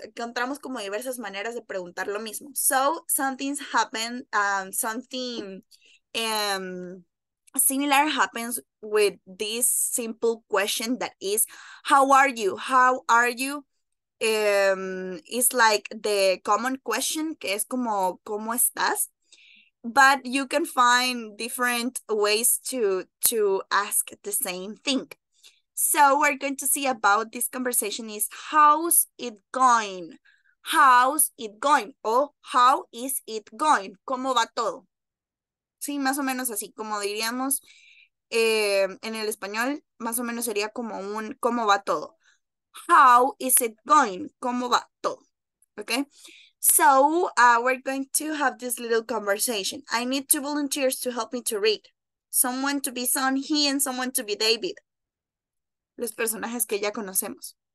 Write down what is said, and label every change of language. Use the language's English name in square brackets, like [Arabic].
[Spanish] Encontramos como diversas maneras de preguntar lo mismo. [English] So something's happened, something similar happens with this simple question that is, how are you? How are you? It's like the common question, [Spanish] que es como, ¿cómo estás? [English] But you can find different ways to ask the same thing. So we're going to see about this conversation is, how's it going? How's it going? Or how is it going? [Spanish] ¿Cómo va todo? Sí, más o menos así, como diríamos en el español, más o menos sería como un ¿cómo va todo? [English] How is it going? [Spanish] ¿Cómo va todo? [English] Okay, so we're going to have this little conversation. I need two volunteers to help me to read. Someone to be Son, he, and someone to be David. [Spanish] Los personajes que ya conocemos.